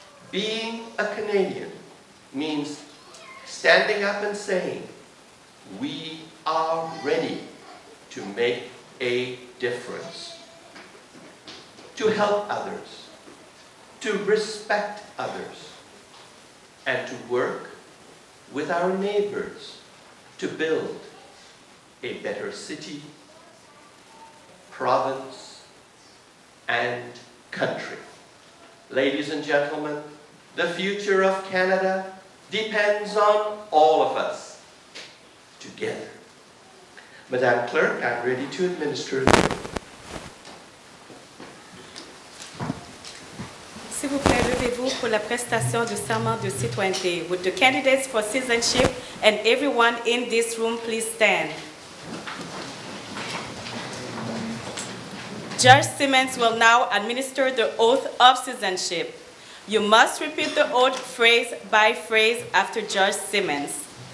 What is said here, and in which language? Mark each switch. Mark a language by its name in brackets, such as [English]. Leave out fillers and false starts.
[English] Being a Canadian means standing up and saying, we are ready to make a difference, to help others, to respect others, and to work with our neighbors to build a better city, province, and country. Ladies and gentlemen, the future of Canada depends on all of us together. Madame Clerk, I'm ready to administer the oath. [French] S'il vous plaît, levez-vous. rendez-vous pour la prestation du serment de citoyenneté. [English] Would the candidates for citizenship and everyone in this room please stand? Judge Simmons will now administer the oath of citizenship. You must repeat the oath phrase by phrase after Judge Simmons.